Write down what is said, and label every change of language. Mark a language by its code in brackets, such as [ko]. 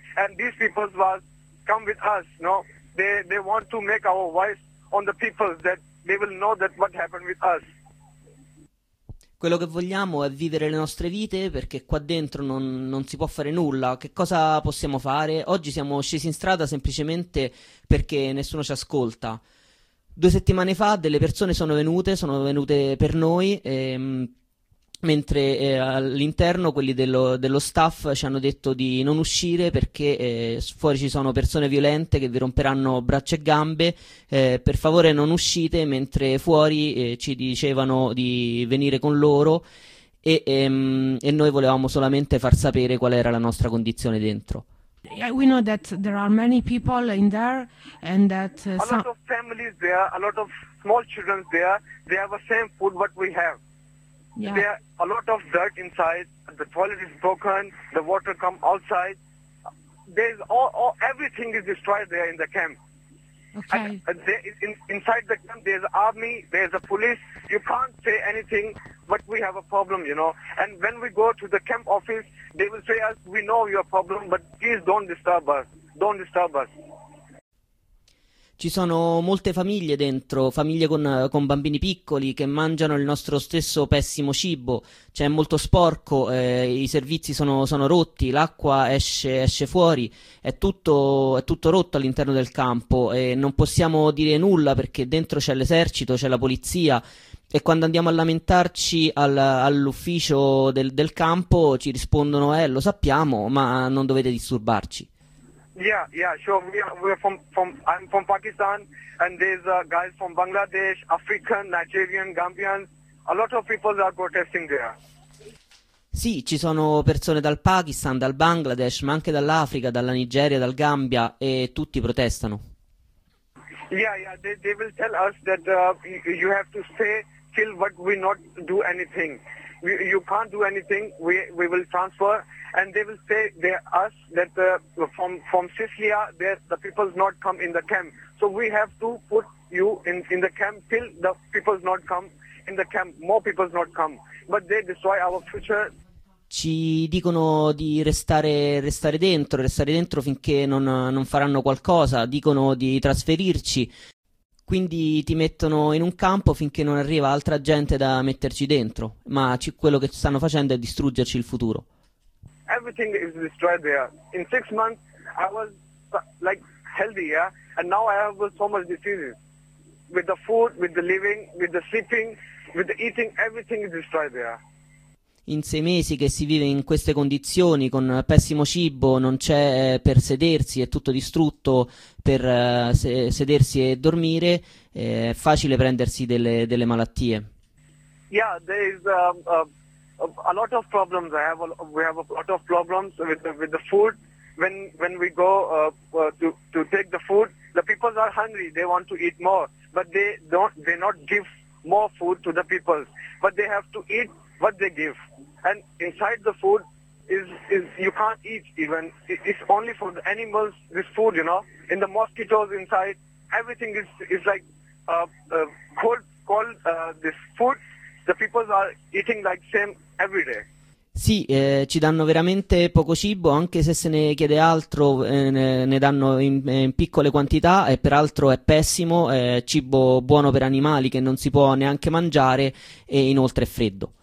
[en] And these people was come with us, no? They want to make our voice on the people, that they will know that what happened with us. [it] Quello che vogliamo è vivere le nostre vite, perché qua dentro non si può fare nulla. Che cosa possiamo fare? Oggi siamo scesi in strada semplicemente perché nessuno ci ascolta. 2 settimane fa delle persone sono venute per noi, mentre all'interno quelli dello staff ci hanno detto di non uscire perché fuori ci sono persone violente che vi romperanno braccia e gambe, per favore non uscite, mentre fuori ci dicevano di venire con loro e noi volevamo solamente far sapere qual era la nostra condizione dentro. [en] Yeah, we know that there are many people in there, and that a lot of families there, a lot of small children there. They have the same food what we have. Yeah. There are a lot of dirt inside. The toilet is broken. The water come outside. There's all everything is destroyed there in the camp. Okay. And there is inside the camp. There's army. There's a police. You can't say anything. But we have a problem, you know. And when we go to the camp office, they will say us, we know your problem, but please don't disturb us. Don't disturb us. [it] Ci sono molte famiglie dentro, famiglie con bambini piccoli che mangiano il nostro stesso pessimo cibo. C'è molto sporco, i servizi sono rotti, l'acqua esce fuori, è tutto rotto all'interno del campo e non possiamo dire nulla perché dentro c'è l'esercito, c'è la polizia. E quando andiamo a lamentarci all'ufficio del campo ci rispondono, lo sappiamo, ma non dovete disturbarci. [en] Yeah, sure. I'm from Pakistan, and there's guys from Bangladesh, African, Nigerian, Gambian. A lot of people are protesting there. [it] Sì, ci sono persone dal Pakistan, dal Bangladesh, ma anche dall'Africa, dalla Nigeria, dal Gambia, e tutti protestano. [en] Yeah, they will tell us that you have to stay till what we not do anything. You can't do anything. We will transfer. And they will say they us that from Sicilia there the people not come in the camp, so we have to put you in the camp till the people not come in the camp, more people not come, but they destroy our future. [it] Ci dicono di restare dentro finché non faranno qualcosa, dicono di trasferirci, quindi ti mettono in un campo finché non arriva altra gente da metterci dentro, ma quello che stanno facendo è distruggerci il futuro. [en] Everything is destroyed there. In 6 months, I was like healthy, yeah? And now I have so much diseases. With the food, with the living, with the sleeping, with the eating, everything is destroyed there. [it] In 6 mesi che si vive in queste condizioni, con pessimo cibo, non c'è per sedersi, è tutto distrutto per sedersi e dormire, è facile prendersi delle malattie. [en] Yeah, there is a lot of problems. We have a lot of problems with the food. When we go to take the food, the people are hungry. They want to eat more, but they don't. They not give more food to the people, but they have to eat what they give. And inside the food is you can't eat even. It's only for the animals. This food, you know, in the mosquitoes inside, everything is like cold. This food, the people are eating like same every day. [it] Sì, ci danno veramente poco cibo, anche se ne chiede altro, ne danno in piccole quantità, e peraltro è pessimo, è cibo buono per animali che non si può neanche mangiare, e inoltre è freddo.